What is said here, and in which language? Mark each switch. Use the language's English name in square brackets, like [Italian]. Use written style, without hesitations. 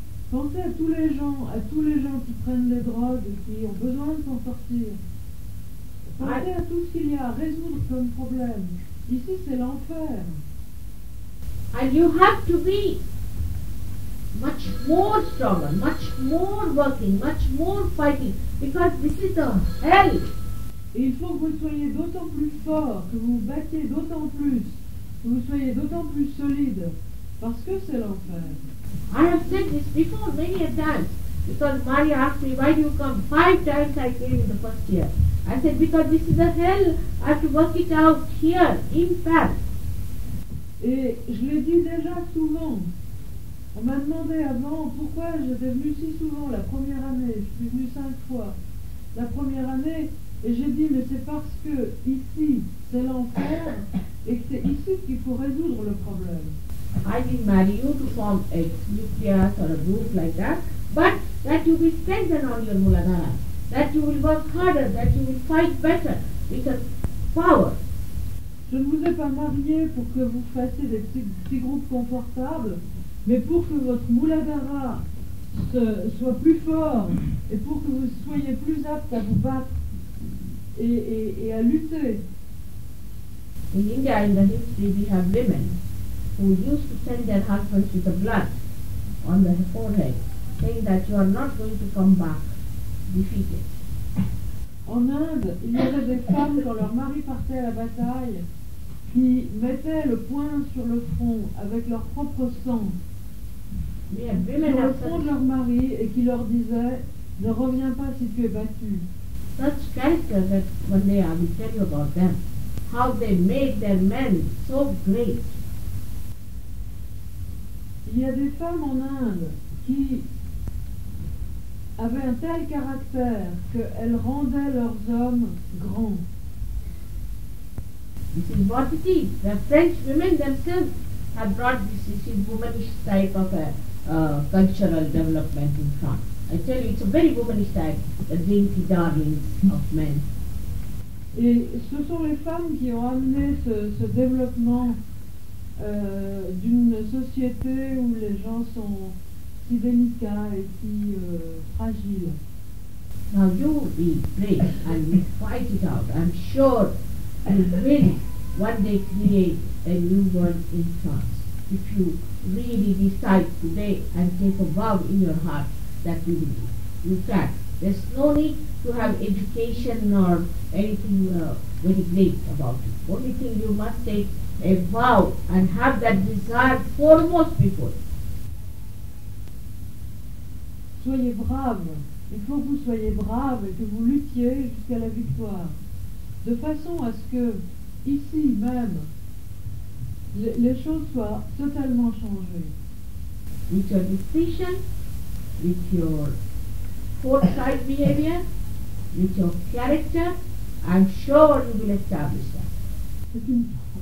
[French] Pensez à tous les gens, qui prennent des drogues et qui ont besoin de s'en sortir. Pensez à tout ce qu'il y a à résoudre comme problème. Ici, c'est l'enfer. [English] And you have to be much more stronger, much more working, much more fighting, because this is the hell. [French] Il faut que vous soyez d'autant plus fort, que vous battiez d'autant plus, que vous soyez d'autant plus solide, Parce que c'est l'enfer. [English] I have said this before many a times. Because Maria asked me, why do you come? 5 times I came in the first year. I said, because this is a hell. I have to work it out here, in Paris. [French] Et je l'ai dit déjà souvent. On m'a demandé avant pourquoi j'étais venue si souvent la première année. Je suis venue 5 fois la première année. Et j'ai dit, mais c'est parce que ici, c'est l'enfer et que c'est ici qu'il faut résoudre le problème. [English] I didn't marry you to form a nucleus or a group like that, but that you will strengthen on your muladhara, that you will work harder, that you will fight better with a power. [French] Je ne vous ai pas marié pour que vous fassiez des petits groupes confortables, mais pour que votre muladhara soit plus fort et pour que vous soyez plus apte à vous battre et à lutter. [English] In India, in the history, we have women who used to send their husbands with the blood on their forehead, saying that you are not going to come back defeated. [French] En Inde, il y avait des femmes quand leur mari partait à la bataille qui mettaient le poing sur le front avec leur propre sang sur le front de leur mari et qui leur disaient, ne reviens pas si tu es battu. [English] Such characters that one day I will tell you about them, how they made their men so great. [French] Il y a des femmes en Inde qui avaient un tel caractère qu'elles rendaient leurs hommes grands. [English] This is what it is. The French women themselves have brought this womanish type of a cultural development in France. I tell you, it's a very womanish type, the dainty darlings of men. [French] Et ce sont les femmes qui ont amené ce développement d'une société où les gens sont si délicats et si fragiles. [English] Now you be brave and we fight it out. I'm sure you will one day create a new world in France if you really decide today and take a vow in your heart. That we will do. In fact, there's no need to have education or anything very great about it. Only thing you must take a vow and have that desire foremost before you. [French] Soyez brave. Il faut que vous soyez brave et que vous luttiez jusqu'à la victoire. De façon à ce que, ici même, les choses soient totalement changées. [English] With your decision, with your foresight behavior, with your character, I'm sure you will establish that.